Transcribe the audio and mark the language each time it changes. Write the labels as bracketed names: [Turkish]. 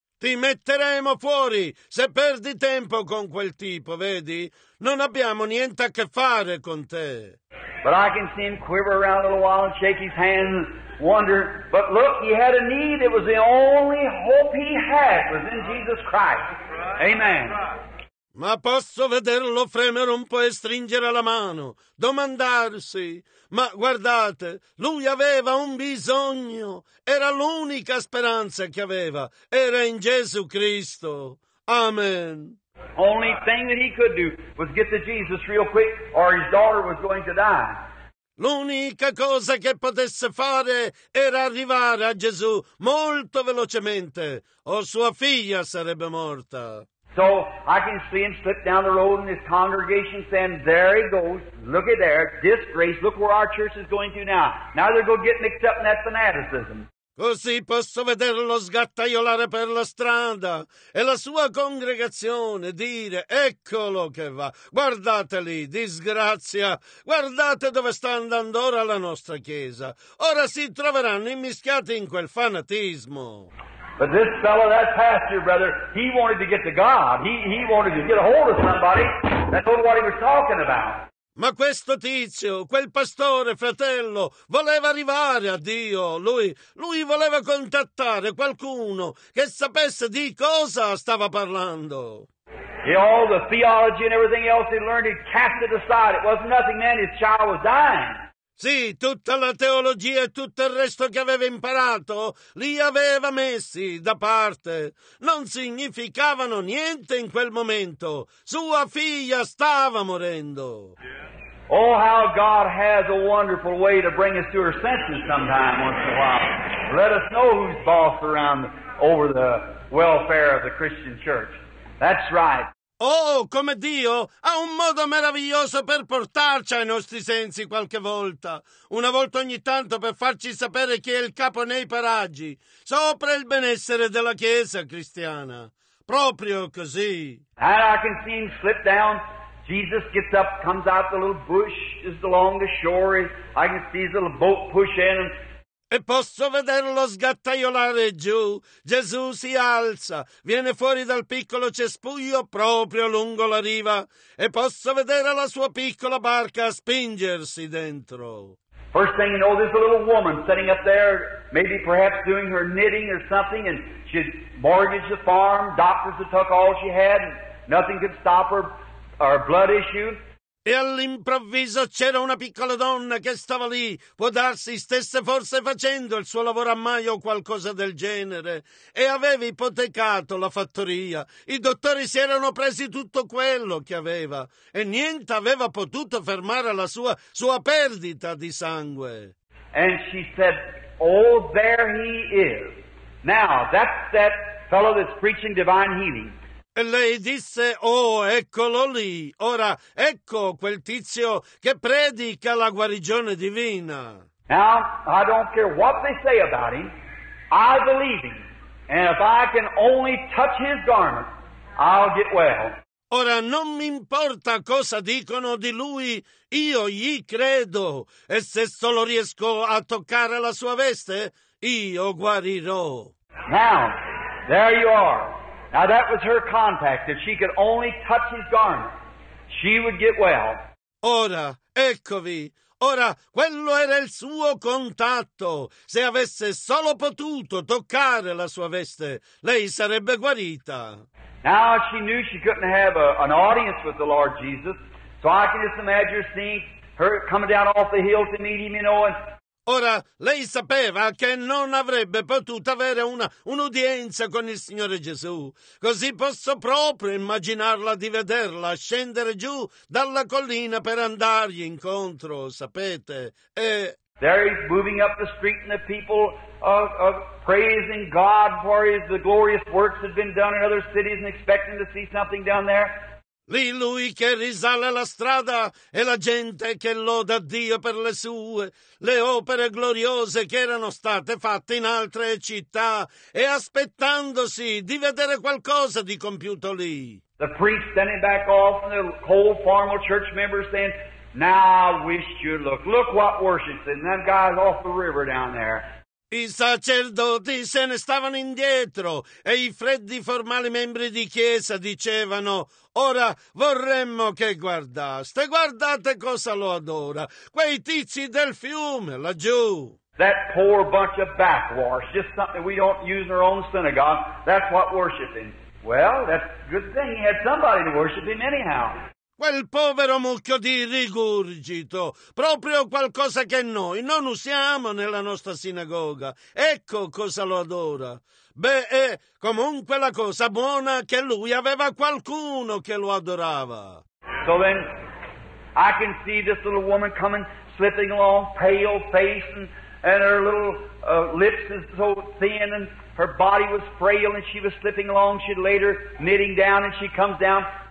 [Italian] Ti metteremo fuori se perdi tempo con quel tipo, vedi? Non abbiamo niente a che fare con te. [English] But I can see him quiver around a little while and shake his hands, wonder. But look, he had a need. It was the only hope he had was in Jesus Christ. Amen. [Italian] Ma posso vederlo fremere un po' e stringere la mano, domandarsi, ma guardate, lui aveva un bisogno, era l'unica speranza che aveva, era in Gesù Cristo. Amen. [English] Only thing that he could do was get to Jesus real quick or his daughter was going to die. [Italian] L'unica cosa che potesse fare era arrivare a Gesù molto velocemente o sua figlia sarebbe morta. [English] So I can see him slip down the road and his congregation saying, there he goes, look at there, disgrace, look where our church is going to now. Now they're going to get mixed up in that fanaticism. [Italian] Così posso vederlo sgattaiolare per la strada e la sua congregazione dire: eccolo che va, guardate lì, disgrazia, guardate dove sta andando ora la nostra Chiesa. Ora si troveranno immischiati in quel fanatismo. [English] But this fellow, that pastor, brother, he wanted to get to God. He wanted to get a hold of somebody. That's what he was talking about. [Italian] Ma questo tizio, quel pastore, fratello, voleva arrivare a Dio. Lui voleva contattare qualcuno che sapesse di cosa stava parlando. [English] All the theology and everything else he learned, he cast it aside. It was nothing, man. His child was dying. [Italian] Sì, tutta la teologia e tutto il resto che aveva imparato li aveva messi da parte. Non significavano niente in quel momento. Sua figlia stava morendo. [English] Oh, how God has a wonderful way to bring us to our senses sometime, once in a while. Let us know who's boss around over the welfare of the Christian church. That's right. [Italian] Oh, come Dio ha un modo meraviglioso per portarci ai nostri sensi qualche volta. Una volta ogni tanto per farci sapere chi è il capo nei paraggi, sopra il benessere della Chiesa cristiana. Proprio così. [English] And I can see him slip down. Jesus gets up, comes out the little bush, is along the shore. I can see his little boat push in. [Italian] E posso vederlo sgattaiolare giù. Gesù si alza, viene fuori dal piccolo cespuglio proprio lungo la riva. E posso vedere la sua piccola barca spingersi dentro. [English] First thing you know, there's a little woman sitting up there, maybe perhaps doing her knitting or something, and she'd mortgaged the farm, doctors had took all she had, and nothing could stop her blood issue. [Italian] E all'improvviso c'era una piccola donna che stava lì, può darsi stesse forse facendo il suo lavoro a maio o qualcosa del genere, e aveva ipotecato la fattoria. I dottori si erano presi tutto quello che aveva e niente aveva potuto fermare la sua perdita di sangue. [English] And she said, oh, there he is. Now, that's that fellow that's preaching divine healing. [Italian] E lei disse, oh, eccolo lì, ora ecco quel tizio che predica la guarigione divina. [English] Now, I don't care what they say about him, I believe him, and if I can only touch his garment, I'll get well. [Italian] Ora, non mi importa cosa dicono di lui, io gli credo, e se solo riesco a toccare la sua veste, io guarirò. [English] Now, there you are. Now that was her contact. If she could only touch his garment, she would get well. [Italian] Ora, eccovi. Ora, quello era il suo contatto. Se avesse solo potuto toccare la sua veste, lei sarebbe guarita. [English] Now she knew she couldn't have an audience with the Lord Jesus, so I can just imagine seeing her coming down off the hill to meet him, you know, and... [Italian] Ora, lei sapeva che non avrebbe potuto avere un'udienza con il Signore Gesù. Così posso proprio immaginarla di vederla scendere giù dalla collina per andargli incontro, sapete? E... [English] There he's moving up the street and the people are praising God for the glorious works that have been done in other cities and expecting to see something down there. [Italian] Lì lui che risale la strada e la gente che loda Dio per le sue, le opere gloriose che erano state fatte in altre città e aspettandosi di vedere qualcosa di compiuto lì. [English] The priest standing back off and the cold formal church members saying, now I wish you'd look, look what worship's in, them guys off the river down there. [Italian] I sacerdoti se ne stavano indietro e i freddi formali membri di chiesa dicevano, ora vorremmo che guardaste, guardate cosa lo adora, quei tizi del fiume laggiù. [English] That poor bunch of backwash, just something we don't use in our own synagogue, that's what worshiping. Well, that's a good thing he had somebody to worship him anyhow. [Italian] Quel povero mucchio di rigurgito, proprio qualcosa che noi non usiamo nella nostra sinagoga. Ecco cosa lo adora. Beh, è comunque la cosa buona che lui aveva qualcuno che lo adorava. [English] So then, I can see this little woman coming, slipping along, pale face, and her little lips is so thin, and her body was frail, and she was slipping along, she'd laid her knitting down, and she comes down.